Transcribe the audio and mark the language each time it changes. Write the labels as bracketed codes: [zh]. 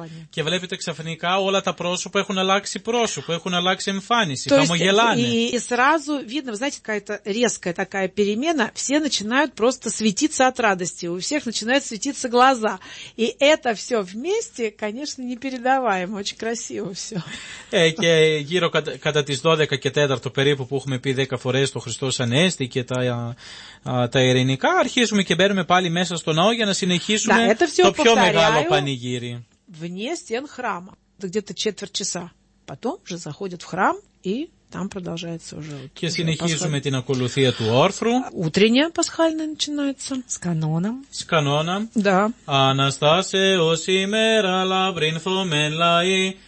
[el] Και βλέπετε ξαφνικά όλα τα πρόσωπα έχουν αλλάξει πρόσωπο, έχουν αλλάξει εμφάνιση, χαμογελάνε. [ru] И сразу видно, знаете, какая-то резкая такая перемена. Все начинают просто светиться от радости. У всех начинают светиться глаза. И это все вместе, конечно, непередаваемо. Очень красиво все. [el] Και γύρω κατά τις 12 και 4 περίπου που έχουμε πει 10 φορές το Χριστός Ανέστη και τα ειρηνικά, αρχίζουμε και μπαίνουμε πάλι μέσα στο ναό για να συνεχίσουμε [ru] да, [el] το πιο μεγάλο πανηγύρι. [ru] Вне стен храма. Это где-то четверть часа. Потом уже заходят в храм и там продолжается уже. [el] Και συνεχίζουμε την ακολουθία του όρθρου. [ru] Утренняя пасхальная начинается. С каноном. С каноном. Да. [el] Αναστάσεως ημέρα λαβρύνθωμεν λαοί.